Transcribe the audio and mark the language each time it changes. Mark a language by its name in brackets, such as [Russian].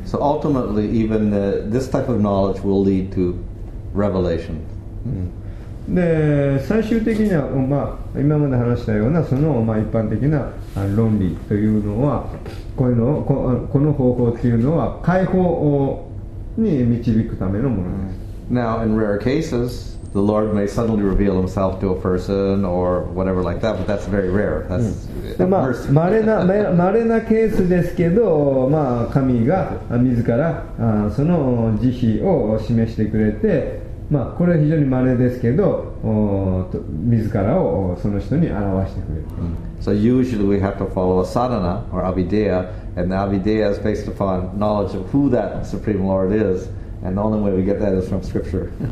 [English] So ultimately even this type of knowledge will lead to revelation. [Japanese] で最終的には、まあ、今まで話したようなその、まあ、一般的な論理というのはこういうのを この方法というのは解放に導くためのものです。 [English] Now in rare cases the Lord may suddenly reveal himself to a person or whatever like that, but that's very rare. That's [Japanese] でまあ、稀なケースですけど、まあ、神が自らその慈悲を示してくれて、まあ、これは非常に稀ですけど自らをその人に表してくれる。 [English] So usually we have to follow a sadhana or avideya, and the avideya is based upon knowledge of who that Supreme Lord is, and the only way we get that is from scripture.